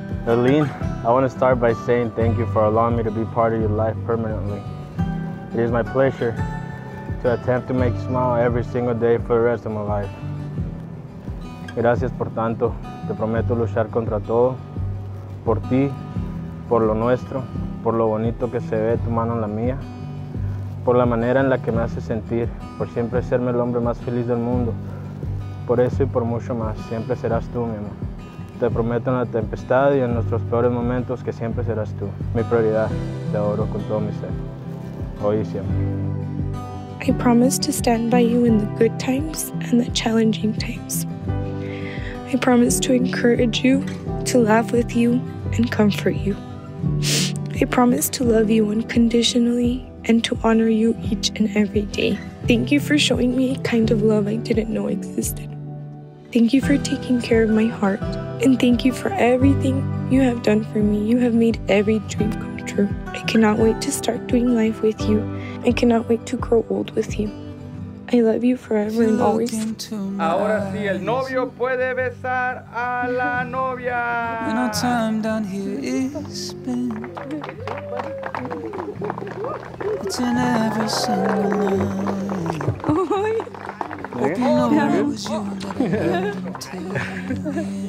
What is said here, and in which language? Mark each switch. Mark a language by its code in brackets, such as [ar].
[en] Eyleen, I want to start by saying thank you for allowing me to be part of your life permanently. It is my pleasure to attempt to make you smile every single day for the rest of my life. [es] Gracias por tanto. Te prometo luchar contra todo. Por ti, por lo nuestro, por lo bonito que se ve tu mano en la mía. Por la manera en la que me hace sentir. Por siempre serme el hombre más feliz del mundo. Por eso y por mucho más, siempre serás tú, mi amor. Te prometo en la tempestad y en nuestros peores momentos que siempre serás tú. Mi prioridad, te adoro con todo mi ser. Hoy y siempre. [en] I promise to stand by you in the good times and the challenging times. I promise to encourage you, to laugh with you, and comfort you. I promise to love you unconditionally and to honor you each and every day. Thank you for showing me a kind of love I didn't know existed. Thank you for taking care of my heart. And thank you for everything you have done for me. You have made every dream come true. I cannot wait to start doing life with you. I cannot wait to grow old with you. I love you forever and always. [es] Ahora sí, el novio puede besar a la novia. [en] When our time down here is spent, it's in every single night. Hope you know it was you that I loved.